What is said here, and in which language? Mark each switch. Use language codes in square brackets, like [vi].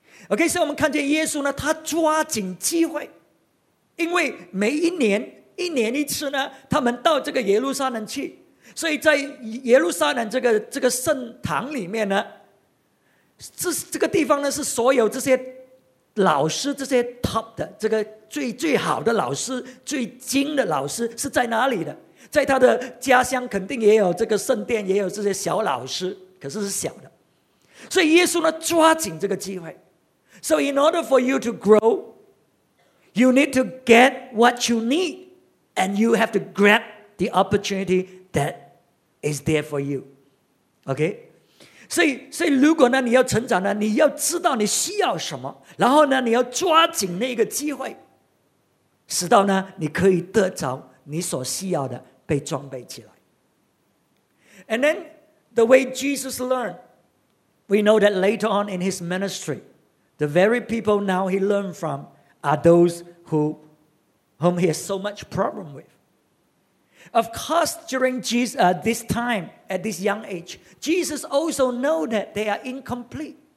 [en] Okay, so [zh] 我们看见耶稣呢，他抓紧机会，因为每一年一次呢，他们到这个耶路撒冷去，所以在耶路撒冷这个圣堂里面呢，这个地方呢是所有这些老师，这些 top 的这个最好的老师，最精的老师是在哪里的？在他的家乡肯定也有这个圣殿，也有这些小老师，可是是小的。所以耶稣呢抓紧这个机会。 [en] So in order for you to grow, you need to get what you need, and you have to grab the opportunity that is there for you. Okay? [zh] 所以如果呢你要成长呢，你要知道你需要什么，然后呢你要抓紧那个机会，使到呢你可以得着你所需要的，被装备起来。 [en] And then the way Jesus learned, we know that later on in his ministry, the very people now he learned from are those whom he has so much problem withOf course, during this time, at this young age, Jesus also knew that they are incomplete.